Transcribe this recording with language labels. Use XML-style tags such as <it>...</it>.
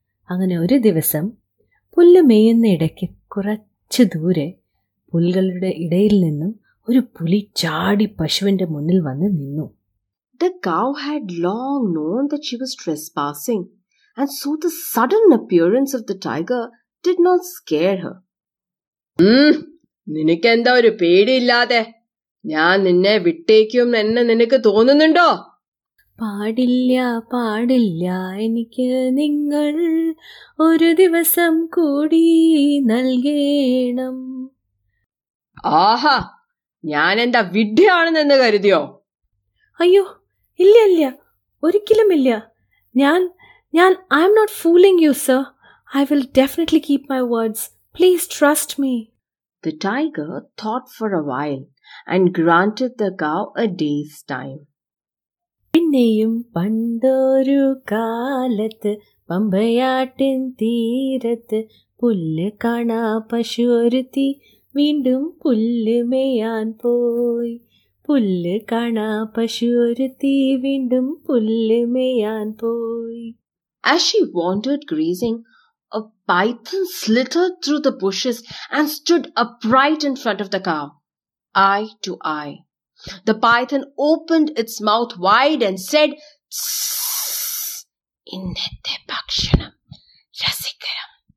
<ml>Angane oru divasam പുല്ല് മേയുന്ന ഇടയ്ക്ക് കുറച്ച് ദൂരെ പുല്ലുകളുടെ ഇടയിൽ നിന്നും ഒരു പുലി ചാടി പശുവിന്റെ മുന്നിൽ വന്ന് നിന്നു.</ml> <en>The cow had long known that she was trespassing, and so the sudden appearance of the tiger did not scare her.</en> <ml>നിനക്കെന്താ ഒരു പേടിയില്ലാതെ? ഞാൻ നിന്നെ വിട്ടേക്കും എന്നെ നിനക്ക് തോന്നുന്നുണ്ടോ? പാടില്ല പാടില്ല എനിക്ക് നിങ്ങൾ ഒരു ദിവസം കൂടി നൽകേണം. ആഹാ, ഞാൻ എന്താ വിഡ്ഢിയാണെന്ന് കരുതിയോ? അയ്യോ ഇല്ല ഇല്ല, ഒരിക്കലും ഇല്ല. ഞാൻ</ml> <en>I'm not fooling you sir. I will definitely keep my words. Please trust me. The tiger thought for a while and granted the cow a day's time.</en> <ml>പിന്നെയും പണ്ടൊരു കാലത്ത് പമ്പയാട്ടിൻ തീരത്ത് പുല്ല് കാണാ പശു ഒരുത്തി വീണ്ടും പുല്ല് മേയാൻ പോയി. പുല്ല് കാണാ പശു ഒരുത്തി വീണ്ടും പുല്ല് മേയാൻ പോയി.</ml> <en>As she wandered grazing, a python slithered through the bushes and stood upright in front of the cow, eye to eye. The python opened its mouth wide and said, "Tss,</en> <ml>innathe bhakshanam rasikaram.</ml>